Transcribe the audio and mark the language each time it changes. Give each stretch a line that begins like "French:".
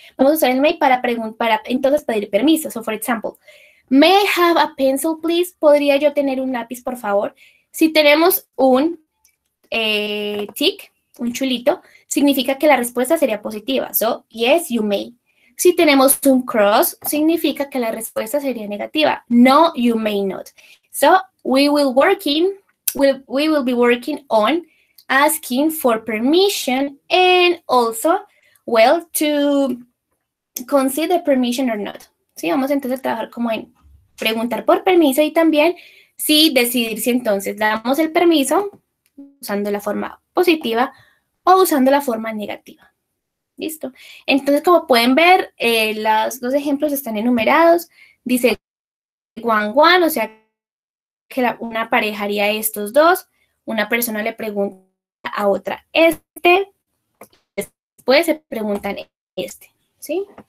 Spanish: Vamos a usar el may para entonces pedir permiso.
English: So, for example, may I have a pencil, please?
Spanish: ¿Podría yo tener un lápiz, por favor? Si tenemos un tick, un chulito, significa que la respuesta sería positiva.
English: So, yes, you may.
Spanish: Si tenemos un cross, significa que la respuesta sería negativa.
English: No, you may not. So, we will be working on asking for permission and also, well, to consider permission or not.
Spanish: Sí, vamos entonces a trabajar como en preguntar por permiso y también sí decidir si entonces damos el permiso usando la forma positiva o usando la forma negativa, ¿listo? Entonces, como pueden ver, los dos ejemplos están enumerados, dice one, o sea, que una pareja haría estos dos, una persona le pregunta a otra este, después se preguntan este, ¿sí?